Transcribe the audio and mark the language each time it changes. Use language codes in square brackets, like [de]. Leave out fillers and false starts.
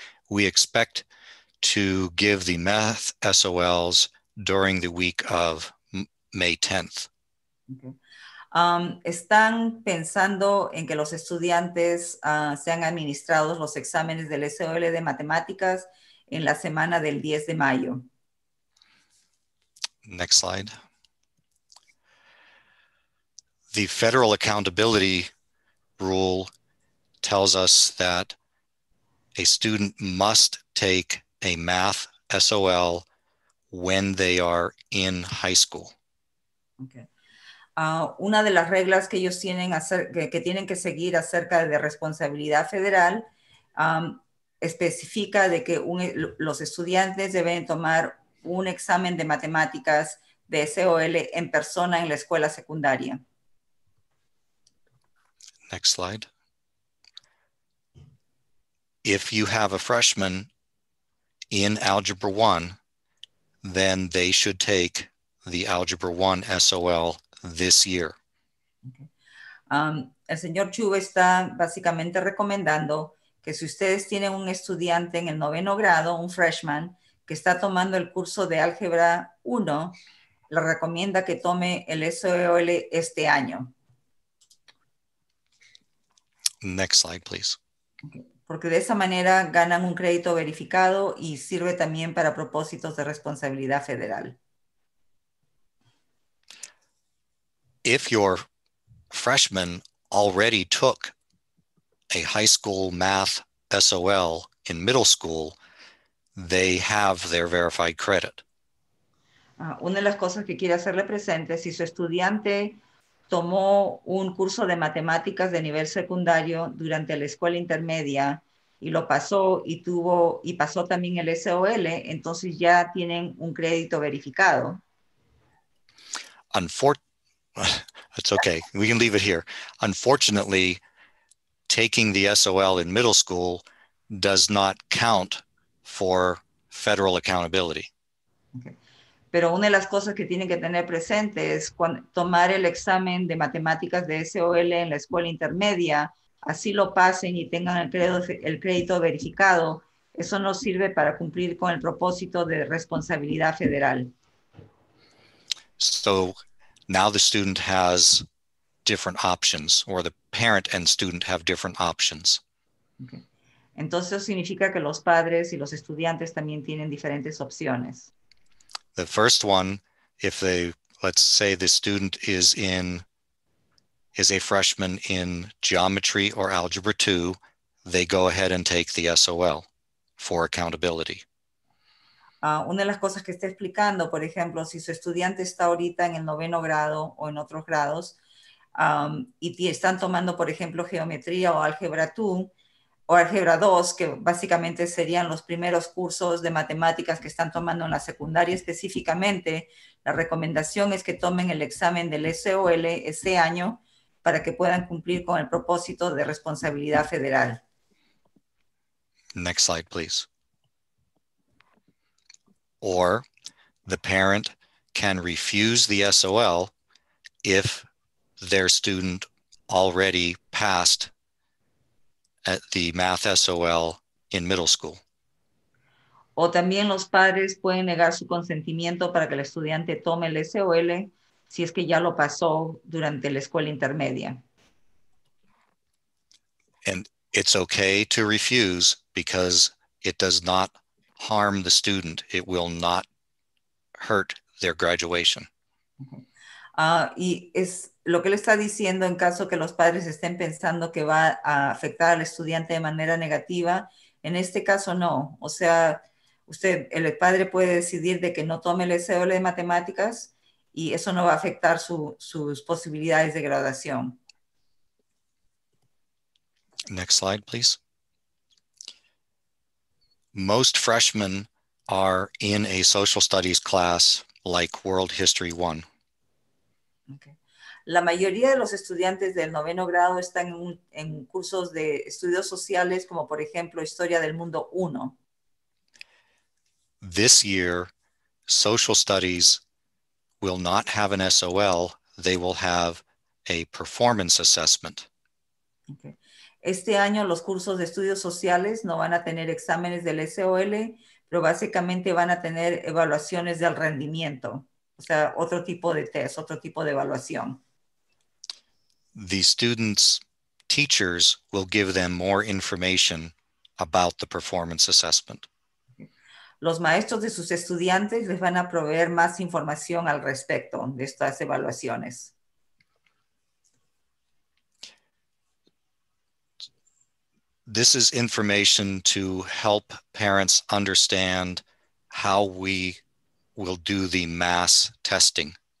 [en] We expect to give the math SOLs during the week of May 10th. Okay. [es] Están pensando en que los estudiantes sean administrados los exámenes del SOL de matemáticas en la semana del 10 de mayo. [en] Next slide. The federal accountability rule tells us that a student must take a math SOL when they are in high school. Okay. [es] Una de las reglas que ellos tienen que tienen que seguir acerca de responsabilidad federal especifica de que los estudiantes deben tomar un examen de matemáticas de SOL en persona en la escuela secundaria. [en] Next slide. If you have a freshman in Algebra 1, then they should take the Algebra 1 SOL this year. Okay. [es] El señor Chu está básicamente recomendando que si ustedes tienen un estudiante en el noveno grado, un freshman, que está tomando el curso de álgebra 1, le recomienda que tome el SOL este año. [en] Next slide, please. [es] Porque de esa manera ganan un crédito verificado y sirve también para propósitos de responsabilidad federal. [en] If your freshman already took a high school math SOL in middle school, they have their verified credit. [es] Una de las cosas que quiero hacerle presente, si su estudiante tomó un curso de matemáticas de nivel secundario durante la escuela intermedia y lo pasó y pasó también el SOL, entonces ya tienen un crédito verificado. [en] It's okay. We can leave it here. Unfortunately, taking the SOL in middle school does not count for federal accountability. Okay. [es] Pero una de las cosas que tienen que tener presente es tomar el examen de matemáticas de SOL en la escuela intermedia, así lo pasen y tengan el crédito verificado, eso no sirve para cumplir con el propósito de responsabilidad federal. [en] So now the student has different options, or the parent and student have different options. Okay. [es] Entonces significa que los padres y los estudiantes también tienen diferentes opciones. [en] The first one, if they, let's say the student is in, is a freshman in geometry or algebra 2, they go ahead and take the SOL for accountability. [es] Una de las cosas que está explicando, por ejemplo, si su estudiante está ahorita en el noveno grado o en otros grados, y están tomando, por ejemplo, geometría o álgebra 2, o álgebra 2, que básicamente serían los primeros cursos de matemáticas que están tomando en la secundaria específicamente, la recomendación es que tomen el examen del SOL ese año para que puedan cumplir con el propósito de responsabilidad federal. [en] Next slide, please. Or the parent can refuse the SOL if their student already passed at the math SOL in middle school. [es] O también los padres pueden negar su consentimiento para que el estudiante tome el SOL si es que ya lo pasó durante la escuela intermedia. [en] And it's okay to refuse because it does not harm the student. It will not hurt their graduation. [es] Y es lo que le está diciendo, en caso que los padres estén pensando que va a afectar al estudiante de manera negativa, en este caso no. O sea, usted, el padre puede decidir de que no tome el SOL de matemáticas y eso no va a afectar sus posibilidades de graduación. [en] Next slide, please. Most freshmen are in a social studies class like World History 1. [es] La mayoría de los estudiantes del noveno grado están en cursos de estudios sociales como, por ejemplo, Historia del Mundo 1. [en] This year, social studies will not have an SOL. They will have a performance assessment. [es] Este año los cursos de estudios sociales no van a tener exámenes del SOL, pero básicamente van a tener evaluaciones del rendimiento. O sea, otro tipo de test, otro tipo de evaluación. [en] The students' teachers will give them more information about the performance assessment. [es] Los maestros de sus estudiantes les van a proveer más información al respecto de estas evaluaciones. [en] This is information to help parents understand how we will do the mass testing.